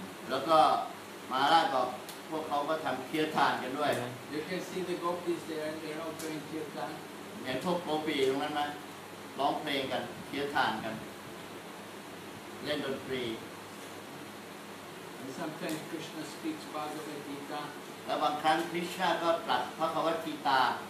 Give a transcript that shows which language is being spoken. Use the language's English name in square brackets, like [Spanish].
[Thai] แล้วก็มาราชบอกพวกเขาก็ทำเคียร์ทานกันด้วย [English] you can see the gopis there and they're all doing kirtan [Thai] เห็นพวกโกปีตรงนั้นไหมร้องเพลงกันเคียร์ทานกันเล่นดนตรี [English] Sometimes Krishna speaks Bhagavad Gita. [Thai] และบางครั้ง Krishna ก็ตรัสพระคัมภีร์กีตา